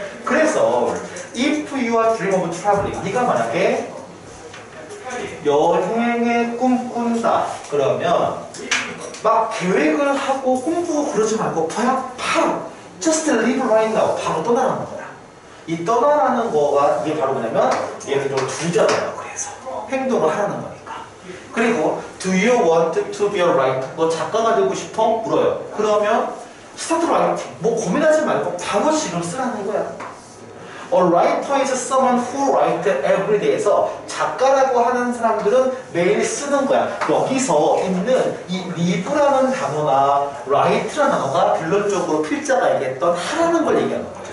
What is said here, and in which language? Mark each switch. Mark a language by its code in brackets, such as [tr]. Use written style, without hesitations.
[ko] 그래서 [en] if you are dream of traveling, [ko] 네가 만약에 여행에 꿈꾼다 그러면 막 계획을 하고 공부하고 그러지 말고 바로 [en] just leave right now, [ko] 바로 떠나라는 거야. 이 떠나라는 거가 이게 바로 뭐냐면 얘는 좀 주잖아요. 그래서 행동을 하라는 거니까. 그리고 [en] Do you want to be a writer? [ko] 너 작가가 되고 싶어? 물어요. 그러면 [en] Start writing. [ko] 뭐 고민하지 말고 바로 지금 쓰라는 거야. [en] A writer is someone who writes every day에서 [ko] 작가라고 하는 사람들은 매일 쓰는 거야. 여기서 있는 이 live라는 단어나 write라는 단어가 결론적으로 필자가 얘기했던 하라는 걸 얘기하는 거죠.